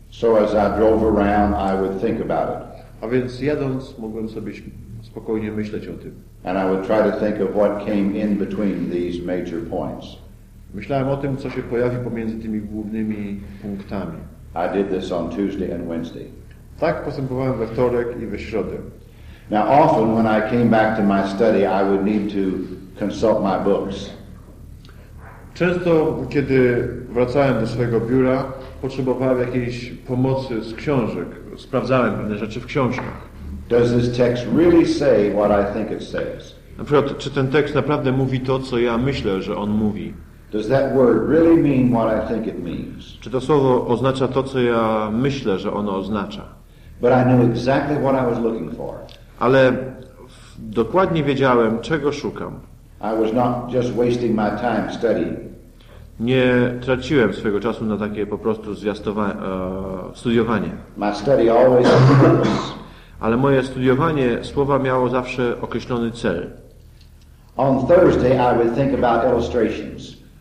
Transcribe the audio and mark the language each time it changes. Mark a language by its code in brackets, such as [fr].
[en] So as I drove around, I would think about it. [pl] A więc jadąc, mogłem sobie spokojnie myśleć o tym. [en] And I would try to think of what came in between these major points. [pl] Myślałem o tym, co się pojawi pomiędzy tymi głównymi punktami. [en] I did this on Tuesday and Wednesday. [pl] Tak postępowałem we wtorek i we środę. [en] Now often when I came back to my study, I would need to consult my books. [pl] Często, kiedy wracałem do swojego biura, potrzebowałem jakiejś pomocy z książek. Sprawdzałem pewne rzeczy w książkach. [en] Does this text really say what I think it says? [pl] Na przykład, czy ten tekst naprawdę mówi to, co ja myślę, że on mówi? [en] Does that word really mean what I think it means? [pl] Czy to słowo oznacza to, co ja myślę, że ono oznacza? [en] But I knew exactly what I was looking for. [pl] Ale dokładnie wiedziałem, czego szukam. [en] I was not just wasting my time studying. [pl] Nie traciłem swojego czasu na takie po prostu studiowanie. [en] My study always had a purpose. [pl] Ale moje studiowanie słowa miało zawsze określony cel. [en] On Thursday I would think about illustrations.